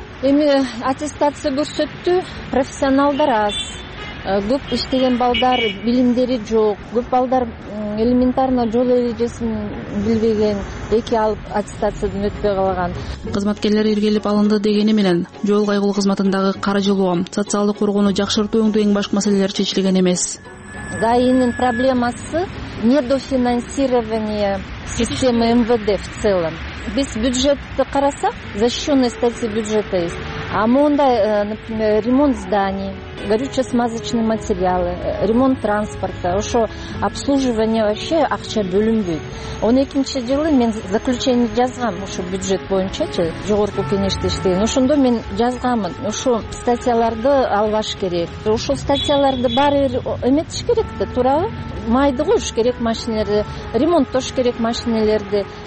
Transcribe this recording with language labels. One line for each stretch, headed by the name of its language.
Kyrgyz: Эми аттестация көрсөттү, профессионалдар аз, көп иштеген балдар билимдери жок, көп балдар элементарно жол эрежесин билбеген, эки алып аттестациядан өтпөй калган. Кызматкерлер иргелеп алынды дегени менен жол кайгылуу кызматындагы каржылоо, социалдык коргоону жакшыртуу өңдөгү эң башкы маселелер чечилген эмес. ДАИнин проблемасы
Russian: недофинансирование системы МВД в целом.
Kyrgyz: Биз бюджетти карасак,
Russian: защищенная статья бюджета есть. А мында, например, ремонт зданий, горюче-смазочные материалы, ремонт транспорта, ошо обслуживание вообще
Kyrgyz: акча бөлүнбөйт. 12-нчи жылы мен заключение жазгам ошо бюджет боюнча жогорку кеңеште иштеген. Ошондо мен жазгамын, ошо статьяларды албаш керек. Ошол статьяларды баары бир эметиш керек да, туурабы? Майды кошуш керек машинелерди, ремонттош керек машинелерди.